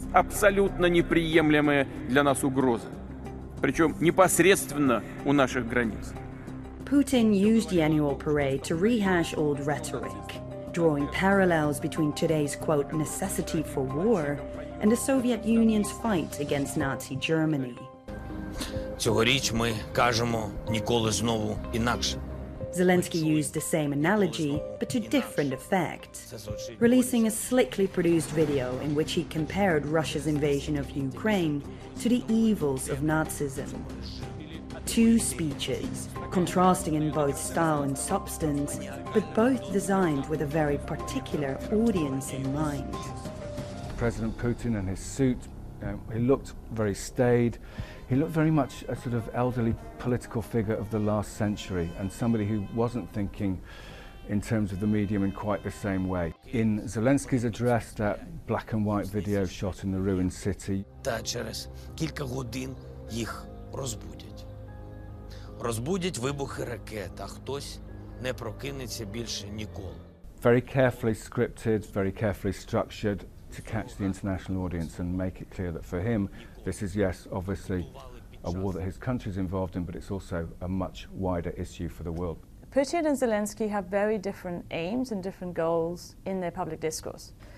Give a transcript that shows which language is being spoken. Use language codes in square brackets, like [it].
[ru] Абсолютно неприемлемая для нас угроза, причем непосредственно у наших границ. [en] Putin used the annual parade to rehash old rhetoric, drawing parallels between today's, quote, necessity for war and the Soviet Union's fight against Nazi Germany. [uk] Цьогоріч ми кажемо ніколи знову інакше. [en] Zelensky used the same analogy, but to different effect, releasing a slickly produced video in which he compared Russia's invasion of Ukraine to the evils of Nazism. Two speeches, contrasting in both style and substance, but both designed with a very particular audience in mind. President Putin and his suit, he looked very staid. He looked very much a sort of elderly political figure of the last century and somebody who wasn't thinking in terms of the medium in quite the same way. In Zelensky's address, that black and white video shot in the ruined city. [uk] Через кілька годин їх розбудять. Розбудять вибухи ракет, а хтось не прокинеться більше ніколи. [en] Very carefully scripted, very carefully structured to catch the international audience and make it clear that for him, this is, yes, obviously a war that his country is involved in, but it's also a much wider issue for the world. Putin and Zelensky have very different aims and different goals in their public discourse.